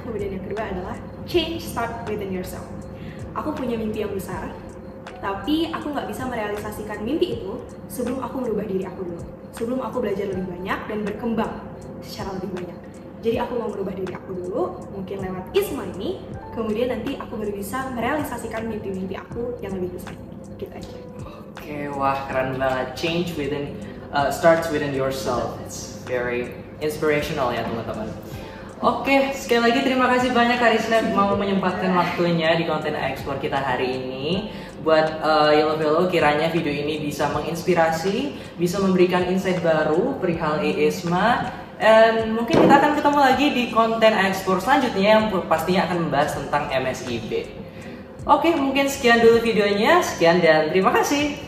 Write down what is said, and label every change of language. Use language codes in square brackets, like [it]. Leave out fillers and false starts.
[id] Kemudian yang kedua adalah [en] change start within yourself. [id] Aku punya mimpi yang besar, tapi aku nggak bisa merealisasikan mimpi itu sebelum aku merubah diri aku dulu, sebelum aku belajar lebih banyak dan berkembang secara lebih banyak. Jadi aku mau merubah diri aku dulu, mungkin lewat ISMA ini, kemudian nanti aku baru bisa merealisasikan mimpi-mimpi aku yang lebih besar. Gitu aja. Oke, wah keren banget. [en] Change within, starts within yourself. It's very inspirational [id] ya teman-teman. Oke, sekali lagi terima kasih banyak Kak Rizna mau menyempatkan waktunya di konten iExplore kita hari ini. Buat Yellow Fellow, kiranya video ini bisa menginspirasi, bisa memberikan insight baru perihal ISMA. Dan mungkin kita akan ketemu lagi di konten iExplore selanjutnya yang pastinya akan membahas tentang MSIB. Oke, mungkin sekian dulu videonya. Sekian dan terima kasih.